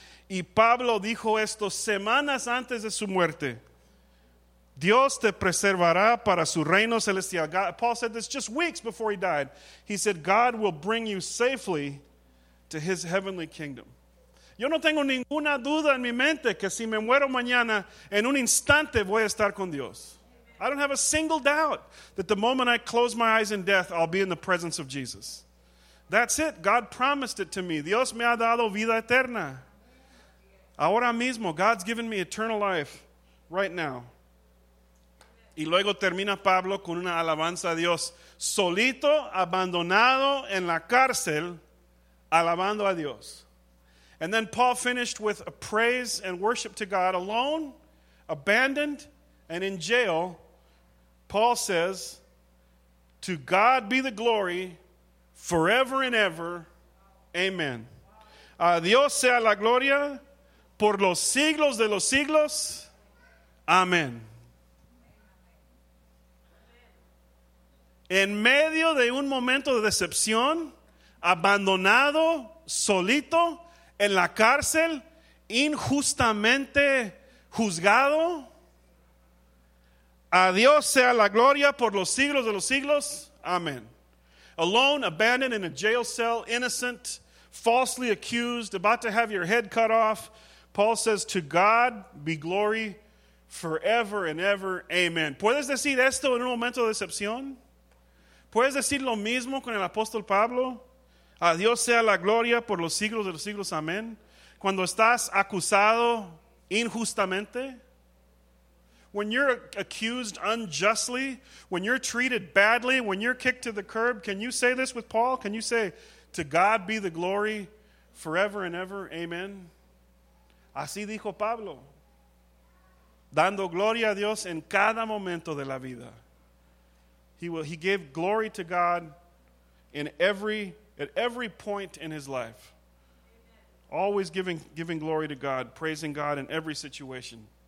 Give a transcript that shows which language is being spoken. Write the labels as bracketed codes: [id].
[es] Y Pablo dijo esto semanas antes de su muerte. Dios te preservará para su reino celestial. [en] God, Paul said this just weeks before he died. He said, God will bring you safely to his heavenly kingdom. [es] Yo no tengo ninguna duda en mi mente que si me muero mañana, en un instante voy a estar con Dios. [en] I don't have a single doubt that the moment I close my eyes in death, I'll be in the presence of Jesus. That's it. God promised it to me. [es] Dios me ha dado vida eterna. Ahora mismo, [en] God's given me eternal life right now. [es] Y luego termina Pablo con una alabanza a Dios, solito, abandonado en la cárcel, alabando a Dios. [en] And then Paul finished with a praise and worship to God, alone, abandoned, and in jail. Paul says, to God be the glory forever and ever. Amen. [es] A Dios sea la gloria por los siglos de los siglos. Amén. En medio de un momento de decepción, abandonado, solito, en la cárcel, injustamente juzgado. A Dios sea la gloria por los siglos de los siglos. Amén. [en] Alone, abandoned in a jail cell, innocent, falsely accused, about to have your head cut off. Paul says, to God be glory forever and ever. Amen. [es] ¿Puedes decir esto en un momento de decepción? ¿Puedes decir lo mismo con el apóstol Pablo? A Dios sea la gloria por los siglos de los siglos. Amén. Cuando estás acusado injustamente. [en] When you're accused unjustly, when you're treated badly, when you're kicked to the curb, can you say this with Paul? Can you say, to God be the glory forever and ever? Amen. [es] Así dijo Pablo, dando gloria a Dios en cada momento de la vida. [en] He gave glory to God in at every point in his life. Amen. Always giving glory to God, praising God in every situation.